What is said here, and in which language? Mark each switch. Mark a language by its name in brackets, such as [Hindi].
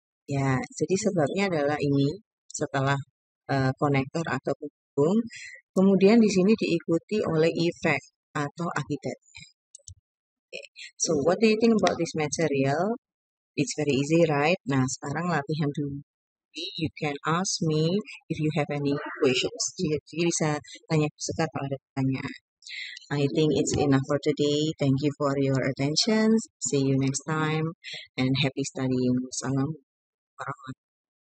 [Indonesian] Ya, jadi sebabnya adalah ini setelah konektor atau penghubung, kemudian di sini diikuti oleh effect atau akibat. [English] Okay. So what do you think about this material? It's very easy, right? [Indonesian] Nah, sekarang latihan dulu. [English] You can ask me if you have any questions. [Indonesian] Jadi bisa tanya sekat kalau ada pertanyaan. [English] I think it's enough for today. Thank you for your attention. See you next time and happy studying. Salam.